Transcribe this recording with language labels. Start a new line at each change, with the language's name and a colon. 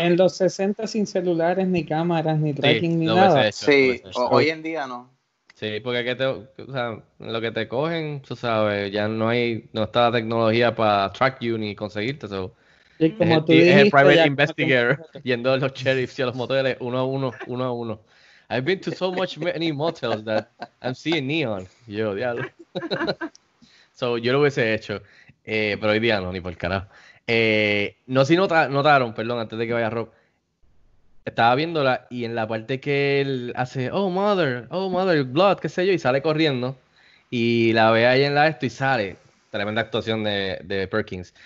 Spanish: En los 60 sin celulares, ni cámaras, ni tracking, sí, ni nada. Hoy en día no. Sí, porque lo que te cogen, tú sabes, ya no está la tecnología para
English: track you
Spanish: ni conseguirte. So. Y como tú dijiste, es el private investigator yendo a los sheriffs y a los moteles uno a uno.
English: I've been to so much many motels that I'm seeing neon.
Spanish: Yo, diablo. So, yo lo hubiese hecho. Pero hoy día no, ni por el carajo. No sé si notaron, perdón, antes de que vaya Rob. Estaba viéndola y en la parte que él hace,
English: oh, mother, blood,
Spanish: qué sé yo, y sale corriendo. Y la ve ahí en la esto y sale. Tremenda actuación de Perkins.